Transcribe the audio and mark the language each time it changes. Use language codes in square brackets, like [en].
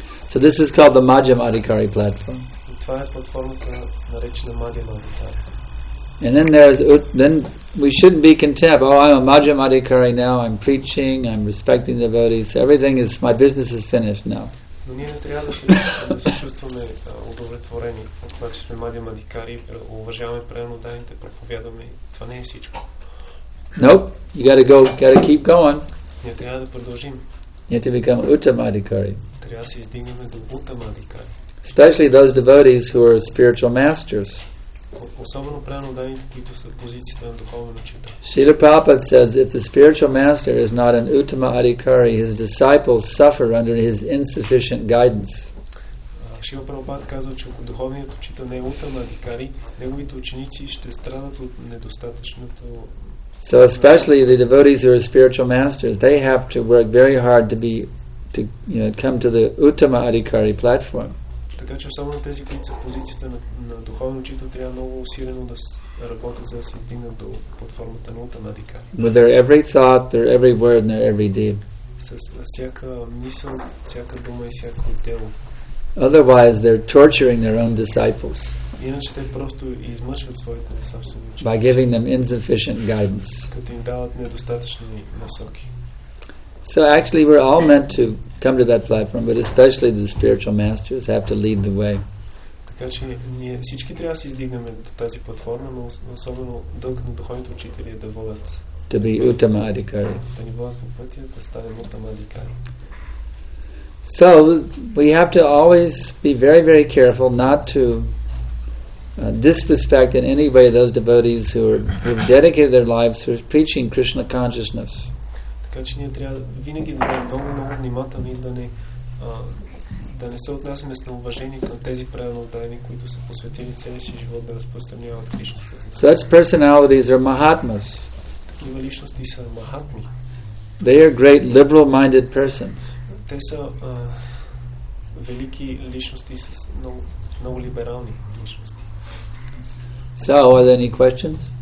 [en] So this is called the Madhyam Adhikari platform. [bg] Това е платформата, наречена Madhyam Adhikari. [en] And then there's then we shouldn't be content. Oh, I'm a Madhyam Adhikari now. I'm preaching. I'm respecting devotees. So everything is my business is finished now. [bg] Но ние не трябва да се чувстваме удовлетворени от това, че сме Madhyam Adhikari, уважаваме преданите, проповядваме. Това не е всичко. [en] Nope. You gotta go. Gotta keep going. [bg] Ние трябва да продължим. [en] Need to become Uttam Adhikari. [bg] Трябва да се издигнем до Uttam Adhikari. [en] Especially those devotees who are spiritual masters. [bg] Особено преданите, които са в позицията на духовен учител. [en] Srila Prabhupada says, if the spiritual master is not an Uttama Adhikari, his disciples suffer under his insufficient guidance. [bg] Srila Prabhupada казва, че ако духовният учител не е Uttama Adhikari, неговите ученици ще страдат от недостатъчното. [en] So especially the devotees who are spiritual masters, they have to work very hard to be to, you know, come to the Uttama Adhikari platform. [bg] Така че само на тези, които са в позицията на духовен учител, трябва много усилено да работят, за да се издигнат до платформата на Uttama Adhikari. [en] With their every thought, their every word, and their every deed. [bg] С всяка мисъл, всяка дума и всяко дело. [en] Otherwise, they're torturing their own disciples. [bg] Иначе те просто измъчват своите собствени ученици. [en] By giving them insufficient guidance. [bg] Като им дават недостатъчни насоки. [en] So actually we're all meant to come to that platform, but especially the spiritual masters have to lead the way. [bg] Така че ние всички трябва да се издигнем до тази платформа, но особено дълг на духовните учители е да водят. [en] To be Uttama Adhikari. [bg] Да ни водят по пътя да станем Uttama Adhikari. [en] So we have to always be very, very careful not to disrespect in any way those devotees who have dedicated their lives to preaching Krishna consciousness. [bg] Така че ние трябва винаги да бъдем много, много внимателни и да не се отнасяме с неуважение към тези преданодайни, които са посветили целия си живот да разпространяват Кришна съзнание. [en] Such personalities are mahatmas. [bg] Такива личности са махатми. [en] They are great liberal-minded persons. [bg] Те са велики личности с много, много либерални личности. [en] So, are there any questions?